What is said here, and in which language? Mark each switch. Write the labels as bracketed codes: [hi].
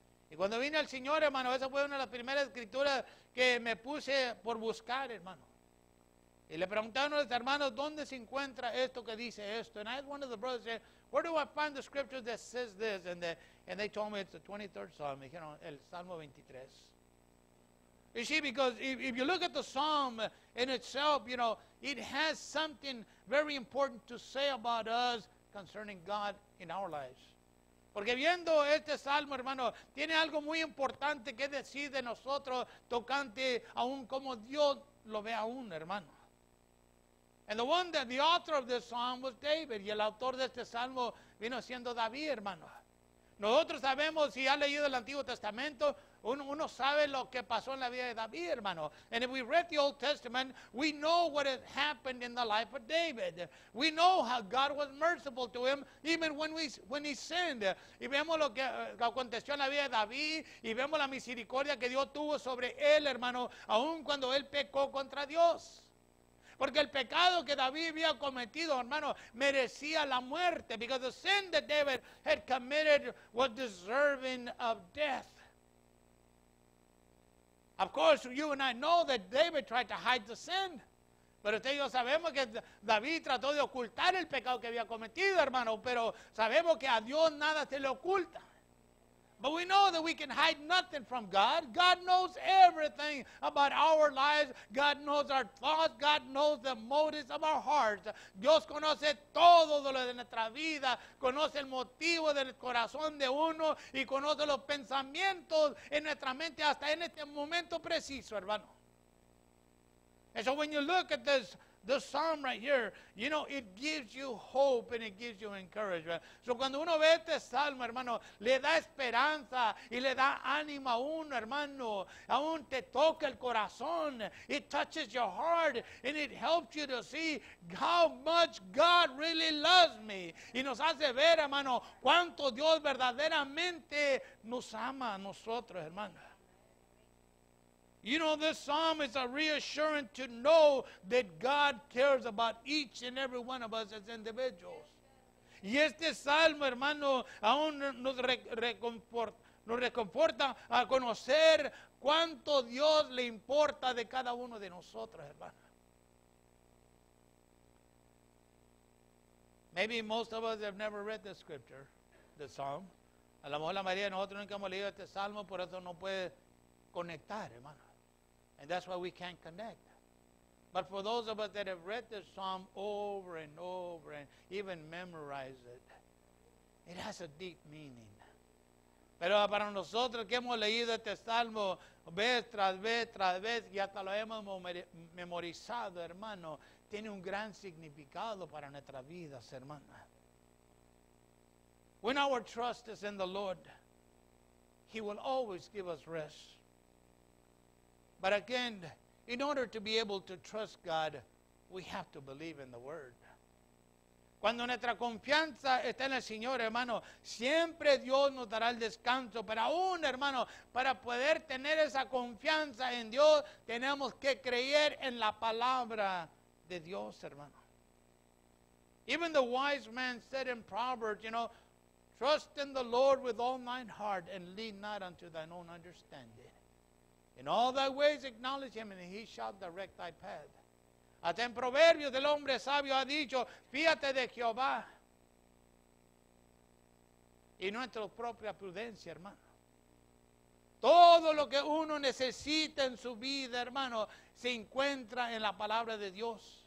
[es] Y cuando vine al Señor, hermano, esa fue una de las primeras escrituras que me puse por buscar, hermano. Y le preguntaron a los hermanos, ¿dónde se encuentra esto que dice esto? [en] And I had one of the brothers say, where do I find the scripture that says this? And, they told me it's the 23rd Psalm. [es] Me dijeron, el Salmo 23. [en] You see, because if you look at the Psalm in itself, you know, it has something very important to say about us concerning God in our lives. [es] Porque viendo este Salmo, hermano, tiene algo muy importante que decir de nosotros tocante aún como Dios lo ve aún, hermano. [en] And the one that the author of this Psalm was David. [es] Y el autor de este Salmo vino siendo David, hermano. Nosotros sabemos, si ha leído el Antiguo Testamento, uno sabe lo que pasó en la vida de David, hermano. [en] And if we read the Old Testament, we know what had happened in the life of David. We know how God was merciful to him, even when he sinned. [es] Y vemos lo que aconteció en la vida de David, y vemos la misericordia que Dios tuvo sobre él, hermano, aun cuando él pecó contra Dios. Porque el pecado que David había cometido, hermano, merecía la muerte. [en] Because the sin that David had committed was deserving of death. Of course, you and I know that David tried to hide the sin. [es] Pero usted y yo sabemos que David trató de ocultar el pecado que había cometido, hermano. Pero sabemos que a Dios nada se le oculta. [en] But we know that we can hide nothing from God. God knows everything about our lives. God knows our thoughts. God knows the motives of our hearts. [es] Dios conoce todo lo de nuestra vida. Conoce el motivo del corazón de uno. Y conoce los pensamientos en nuestra mente hasta en este momento preciso, hermano. [en] And so when you look at this psalm right here, you know, it gives you hope and it gives you encouragement. [es] So cuando uno ve este salmo, hermano, le da esperanza y le da ánimo a uno, hermano. Aún te toca el corazón. [en] It touches your heart and it helps you to see how much God really loves me. [es] Y nos hace ver, hermano, cuánto Dios verdaderamente nos ama a nosotros, hermano. [en] You know, this psalm is a reassurance to know that God cares about each and every one of us as individuals. [es] Y este salmo, hermano, aún nos reconforta a conocer cuánto Dios le importa de cada uno de nosotros, hermano. [en] Maybe most of us have never read the scripture, the psalm. [es] A lo mejor la mayoría de nosotros nunca hemos leído este salmo, por eso no puede conectar, hermano. [en] And that's why we can't connect. But for those of us that have read this psalm over and over and even memorized it, it has a deep meaning. [es] Pero para nosotros que hemos leído este salmo vez tras vez tras vez y hasta lo hemos memorizado, hermano, tiene un gran significado para nuestras vidas, hermano. [en] When our trust is in the Lord, He will always give us rest. But again, in order to be able to trust God, we have to believe in the Word. [es] Cuando nuestra confianza está en el Señor, hermano, siempre Dios nos dará el descanso. Pero aún, hermano, para poder tener esa confianza en Dios, tenemos que creer en la palabra de Dios, hermano. [en] Even the wise man said in Proverbs, you know, trust in the Lord with all thine heart and lean not unto thine own understanding. In all thy ways acknowledge him and he shall direct thy path. [es] Hasta en Proverbios el hombre sabio ha dicho, fíate de Jehová y nuestra propia prudencia, hermano. Todo lo que uno necesita en su vida, hermano, se encuentra en la palabra de Dios.